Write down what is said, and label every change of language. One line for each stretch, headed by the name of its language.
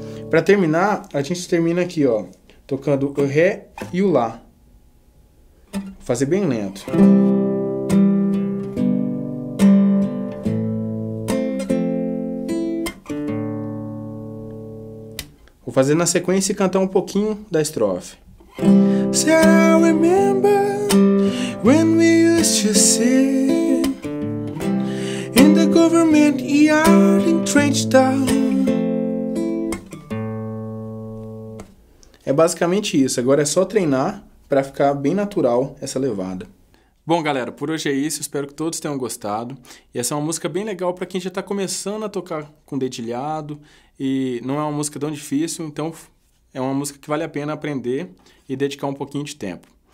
Portuguese: Para terminar, a gente termina aqui, ó, tocando o Ré e o Lá. Vou fazer bem lento. Vou fazer na sequência e cantar um pouquinho da estrofe.
English: Said I remember when we used to sit in the government yard in Trenchtown.
Portuguese: É basicamente isso. Agora é só treinar para ficar bem natural essa levada. Bom, galera, por hoje é isso. Espero que todos tenham gostado. E essa é uma música bem legal para quem já está começando a tocar com dedilhado. E não é uma música tão difícil, então é uma música que vale a pena aprender e dedicar um pouquinho de tempo.